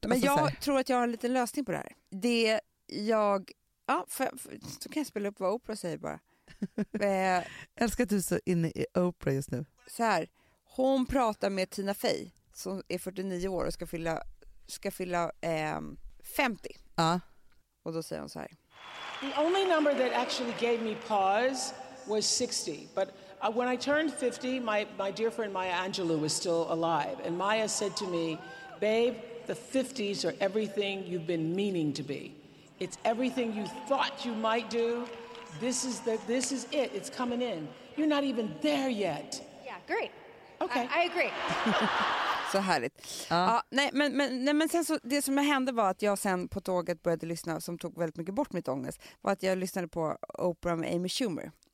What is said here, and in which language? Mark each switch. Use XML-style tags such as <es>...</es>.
<sv>Men alltså, jag tror att jag har en liten lösning på det här. Det jag... Ja, så kan jag spela upp vad Oprah säger bara. Älskar att du så inne i Oprah just nu. Så här, hon pratar med Tina Fey som är 49 år och ska fylla 50. Ja. Och då säger hon så här.</sv> <en>The only number that actually gave me pause was 60, but when I turned 50, my dear friend Maya Angelou was still alive, and Maya said to me, babe, the 50s are everything you've been meaning to be. It's everything you thought you might do. This is it. It's coming in. You're not even there yet. Yeah, great. Okay. I agree.</en> <sv>Så härligt. Men sen så, det som hände var att jag sen på tåget började lyssna, som tog väldigt mycket bort mitt ångest, var att jag lyssnade på Oprah med Amy Schumer.</sv>